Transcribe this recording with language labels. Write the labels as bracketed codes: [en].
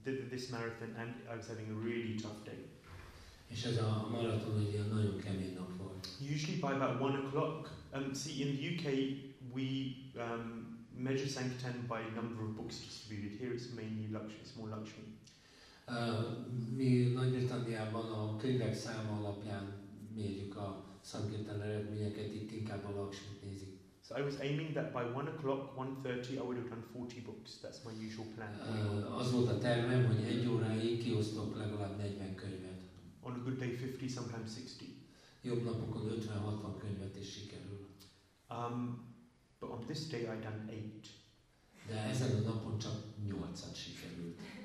[en] This marathon, and I was having a really tough day. [hu] És ez a maraton egy ilyen nagyon kemény nap volt. [en] Usually by about 1 o'clock. See, in the UK we measure Sankirtan by number of books distributed. Here it's mainly luxury. It's more luxury. [hu] Mi Nagy-Britanniában a könyvek száma alapján mérjük a Sankirtan eredményeket, itt inkább a luxury-t nézik. [en] So I was aiming that by 1 o'clock, 1:30, I would have done 40 books. That's my usual plan. [hu] Az volt a tervem, hogy egy óráig kiosztok legalább 40 könyvet. [en] On a good day, 50, sometimes 60. [hu] Jobb napokon 50-60 könyvet is sikerül. [en] But on this day, I done 8. [hu] De ezen a napon csak 8-at sikerült.